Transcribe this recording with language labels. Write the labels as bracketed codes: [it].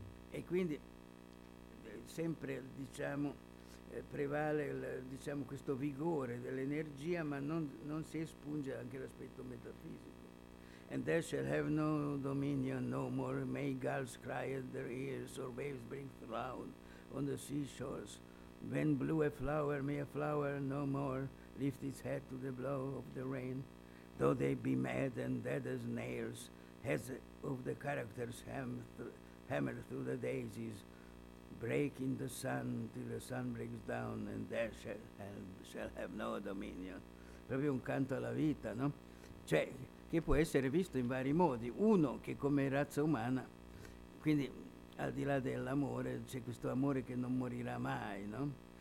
[it] E quindi sempre, diciamo, prevale diciamo questo vigore dell'energia, ma non si espunge anche l'aspetto metafisico. [en] And they shall have no dominion no more, may gulls cry at their ears, or waves bring loud on the seashores. When blew a flower, may a flower no more lift its head to the blow of the rain. Though they be mad and dead as nails, heads of the characters hammer through the daisies, break in the sun till the sun breaks down, and there shall have no dominion. [it] Proprio un canto alla vita, no? Cioè, che può essere visto in vari modi. Uno, che come razza umana, quindi al di là dell'amore, c'è questo amore che non morirà mai, no?